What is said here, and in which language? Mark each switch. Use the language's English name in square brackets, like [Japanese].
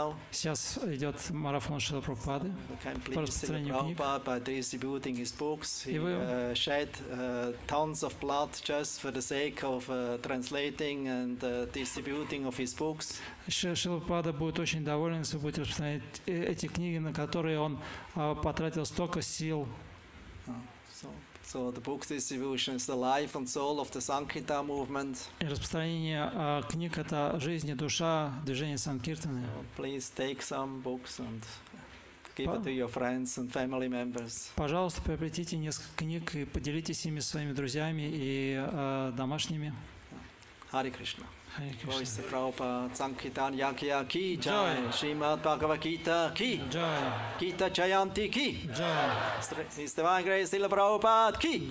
[Russian] Сейчас идет марафон Шрилы Прабхупады по распространению книг. И вы [English] shed tons of blood just for the sake of translating and distributing of his books. [Russian] Шрила Прабхупада будет очень доволен, если вы будете распространять эти книги, на которые он потратил столько сил. [English] So the book distribution is the life and soul of the Sankirtan movement. [Russian] И распространение книг — это жизнь и душа движения Санкиртаны. [English] Please take some books and give it to your friends and family members. [Russian] Пожалуйста, приобретите несколько книг и поделитесь ими со своими друзьями и домашними. [Sanskrit] Hare Krishna. Hare Krishna. Voice the Prabhupada, Sankirtan Yagya Ki Jai. Srimad Bhagavad Gita Ki Jai. Gita Jayanti Ki Jai. His Divine Grace Srila Prabhupada Ki